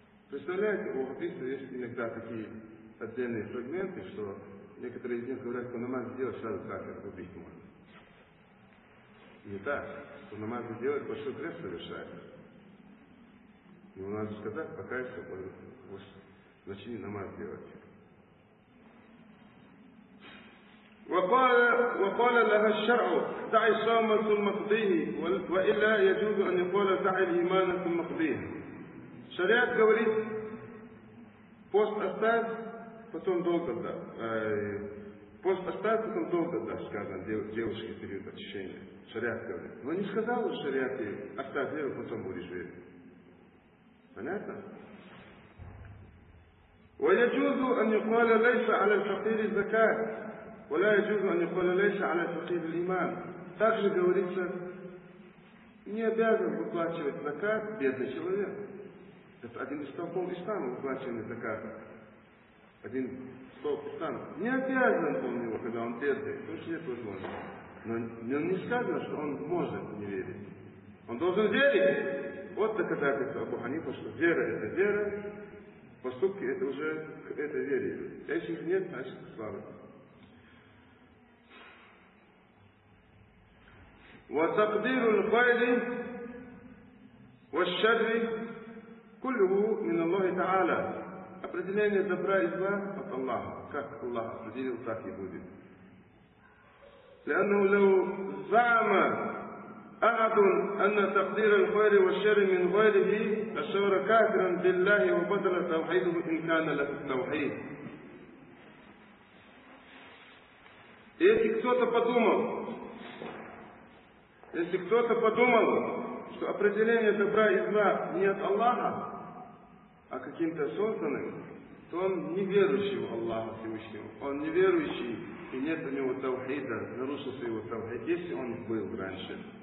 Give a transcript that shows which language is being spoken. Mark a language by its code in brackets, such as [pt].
[ru] Представляете, у хадиса есть иногда такие отдельные фрагменты, что некоторые из них говорят, что намаз сделать сразу так, как убить можно. Не так, что намаз сделать большой грех совершает. Ему надо сказать, покаяться, начни намаз делать. [ar] وقال لها الشرع دع الصوم ثم اقضيه والا يجوز ان يقول دع الايمان ثم اقضيه. [ru] Шариат говорит, пост оставь, потом долг отдай. Пост оставь, потом долг отдай, сказано девушке в период очищения. Шариат говорит. Но не сказал шариат, оставь веру, потом будешь верить. Понятно? [ar] ويجوز ان يقول ليس على الفقير الزكاة ولا يجوز ان يقول ليس على الفقير الايمان. [ru] Также говорится, не обязан выплачивать закат бедный человек. Это один из столпов ислама, выплачивание заката. Один столб ислама. Не обязан он его, когда он бедный. То есть нет возможности. Но он не сказано, что он может не верить. Он должен верить. Вот доказательство Абу Ханифа, что вера это вера, поступки это уже к этой вере. Если их нет, значит слава. [ar] وتقدير الخير والشر كله من الله تعالى. [ru] Определение добра и зла от Аллаха. Как Аллах определил, так и будет. [ar] لأنه لو زعم أحد أن تقدير الخير والشر من غيره لصار كافرا بالله وبطل توحيده إن كان له التوحيد. [ru] Если кто-то подумал, если кто-то подумал, что определение добра и зла не от Аллаха, а каким-то созданным, то он неверующий в Аллаха Всевышнего. Он неверующий, и нет у него тавхида, нарушился его тавхид, если он был раньше.